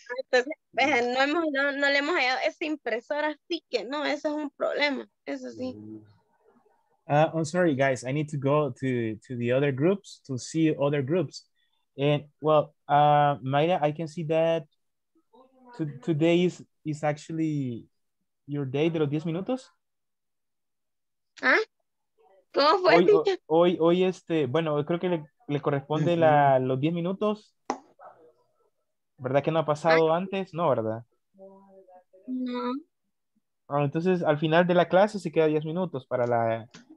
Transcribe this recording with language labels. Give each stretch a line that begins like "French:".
Spanish: Entonces, no le hemos hallado esa impresora, así que no, eso es un problema, eso sí.
English: I'm sorry guys, I need to go to the other groups to see other groups. And well, Mayra, I can see that today is actually your day
Spanish: de los 10 minutos. ¿Ah? ¿Cómo fue? Hoy bueno, creo que le corresponde los 10 minutos. ¿Verdad que no ha pasado antes? No, ¿verdad? No. Bueno, entonces, al final de la clase se queda 10 minutos para la...